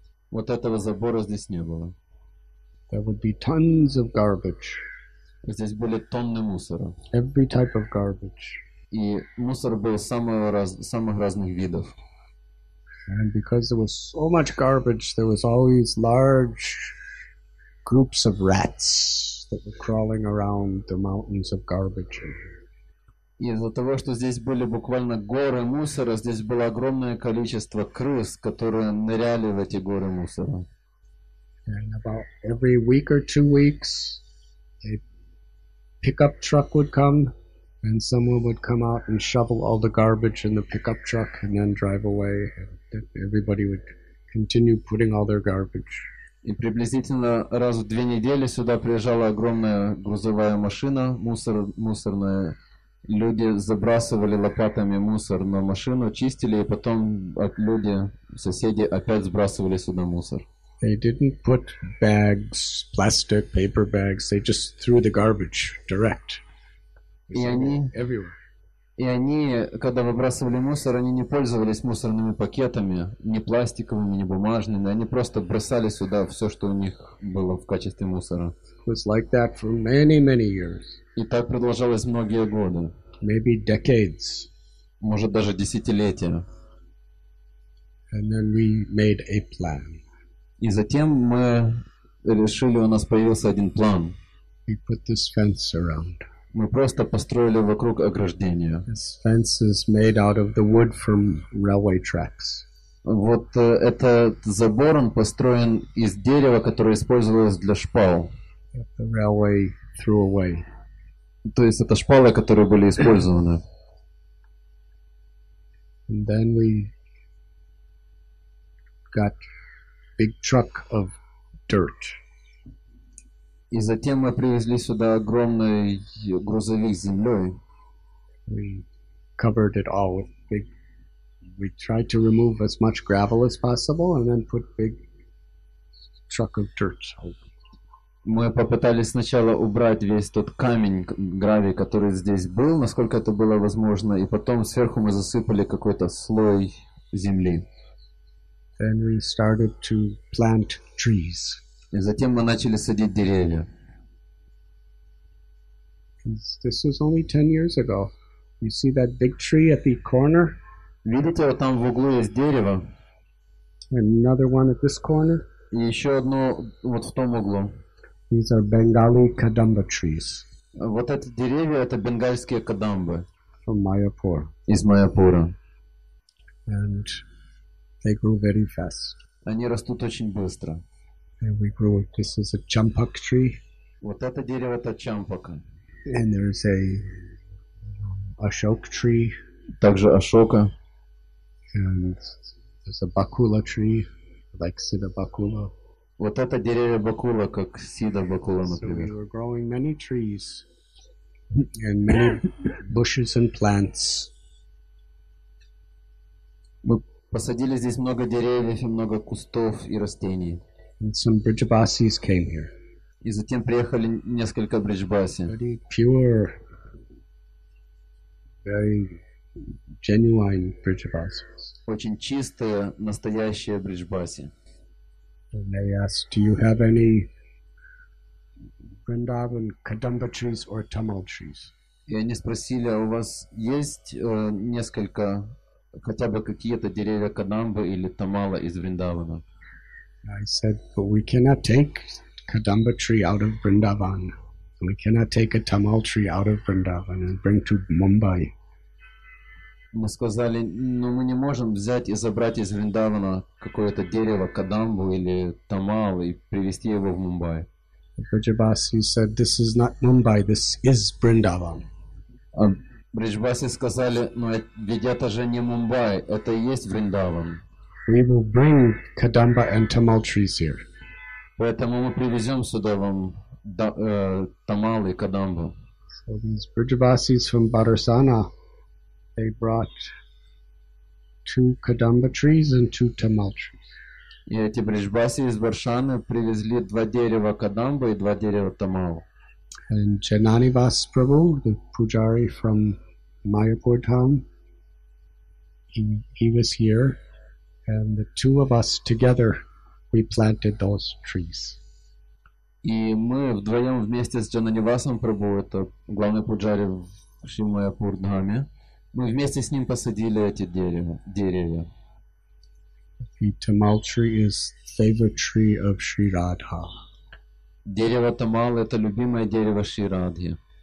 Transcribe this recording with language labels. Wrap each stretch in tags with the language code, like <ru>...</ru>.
<ru>Вот этого забора здесь не было.</ru> <en>There would be tons of garbage.</en> <ru>Здесь были тонны мусора.</ru> <en>Every type of garbage.</en> <ru>И мусор был самых разных видов.</ru> <en>And because there was so much garbage, there was always large groups of rats that were crawling around the mountains of garbage.</en> <ru>И из-за того, что здесь были буквально горы мусора, здесь было огромное количество крыс, которые ныряли в эти горы мусора.</ru> <en>And about every week or 2 weeks, a pickup truck would come, and someone would come out and shovel all the garbage in the pickup truck and then drive away. And everybody would continue putting all their garbage.</en> <ru>И приблизительно раз в две недели сюда приезжала огромная грузовая машина, мусорная. Люди забрасывали лопатами мусор на машину, чистили, и потом люди, соседи, опять сбрасывали сюда мусор.</ru> <en>They didn't put bags, plastic, paper bags, they just threw the garbage direct. Everywhere.</en> <ru>И они, когда выбрасывали мусор, они не пользовались мусорными пакетами, ни пластиковыми, ни бумажными, они просто бросали сюда все, что у них было в качестве мусора.</ru> <en>It was like that for many, many years.</en> <ru>И так продолжалось многие годы.</ru> <en>Maybe decades.</en> <ru>Может, даже десятилетия.</ru> <en>And then we made a plan.</en> <ru>И затем мы решили, у нас появился один план.</ru> <en>We put this fence around.</en> <ru>Мы просто построили вокруг ограждение.</ru> <en>This fence is made out of the wood from railway tracks.</en> <ru>Вот этот забор, он построен из дерева, которое использовалось для шпал.</ru> <en>The railway threw away.</en> <ru>То есть это шпалы, которые были использованы.</ru> <en>And then we got big truck of dirt.</en> <ru>И затем мы привезли сюда огромный грузовик с землей.</ru> <en>We covered it all with big. We tried to remove as much gravel as possible, and then put big truck of dirt.</en> <ru>Мы попытались сначала убрать весь тот камень, гравий, который здесь был, насколько это было возможно, и потом сверху мы засыпали какой-то слой земли.</ru> <en>Then we started to plant trees.</en> <ru>И затем мы начали садить деревья.</ru> <en>This was only 10 years ago. You see that big tree at the corner?</en> <ru>Видите, вот там в углу есть дерево.</ru> <en>Another one at this corner.</en> <ru>И еще одно вот в том углу.</ru> <en>These are Bengali kadamba trees.</en> <ru>Вот эти деревья — это бенгальские кадамбы.</ru> <en>From Mayapur.</en> <ru>Из Майяпура.</ru> <en>And they grew very fast.</en> <ru>Они растут очень быстро.</ru> <en>And we grew. This is a champak tree.</en> <ru>Вот это дерево — это champaka.</ru> <en>And there is a ashok tree.</en> <ru>Также ashoka.</ru> <en>And there's a bakula tree, like siddha bakula.</en> <ru>Вот это деревья бакула, как сида бакула, например.</ru> <en>So we were growing many trees and many bushes and plants.</en> <ru>Мы посадили здесь много деревьев и много кустов и растений.</ru> <en>And some Brijabasis came here.</en> <ru>И затем приехали несколько Бриджбаси.</ru> <en>Very pure, very genuine Brijabasis.</en> <ru>Очень чистые, настоящие Бриджбаси.</ru> <en>And they asked, do you have any Vrindavan Kadamba trees or Tamil trees?</en> <ru>И они спросили, а у вас есть несколько, хотя бы какие-то деревья Кадамба или Тамала из Вриндавана?</ru> <en>I said, but we cannot take Kadamba tree out of Vrindavan. We cannot take a Tamal tree out of Vrindavan and bring to Mumbai.</en> <ru>Мы сказали, ну мы не можем взять и забрать из Вриндавана какое-то дерево, кадамбу или тамал, и привезти его в Мумбай.</ru> <en>Бриджбаси said, this is not Mumbai, this is Vrindavan.</en> <ru>А Бриджбаси сказали, ну ведь это же не Мумбай, это и есть Вриндаван.</ru> <en>We will bring kadamba and tamal trees here.</en> <ru>Поэтому мы привезем сюда вам тамал и кадамбу.</ru> <en>So these Bridjavasis from Barasana, they brought two kadamba trees and two tamal trees.</en> <ru>И эти бриджбаси из Варшаны привезли два дерева кадамба и два дерева тамал.</ru> <en>And Jananivas Prabhu, the pujari from Mayapur town, he was here, and the two of us together, we planted those trees.</en> <ru>И мы вдвоем вместе с Джона Невасом Прабу, это главный пуджари в Шимаяпур Дхаме, мы вместе с ним посадили эти деревья.</ru> <en>The tamal tree is favorite tree of Sri Radha.</en> <ru>Дерево тамал – это любимое дерево Шри Радхи.</ru>